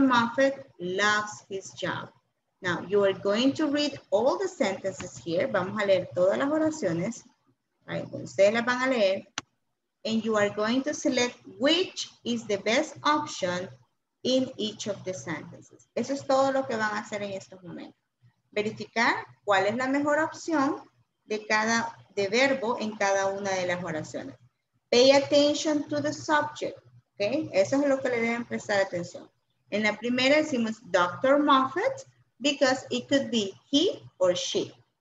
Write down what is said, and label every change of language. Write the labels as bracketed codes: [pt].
[en] Moffat loves his job. Now you are going to read all the sentences here. [es] Vamos a leer todas las oraciones. Right? Ustedes las van a leer. [en] And you are going to select which is the best option in each of the sentences. [es] Eso es todo lo que van a hacer en estos momentos. Verificar cuál es la mejor opción de cada de verbo en cada una de las oraciones. [en] Pay attention to the subject. Okay? [es] Eso es lo que le deben prestar atención. En la primera decimos Dr. [en] Moffat because it could be he or she.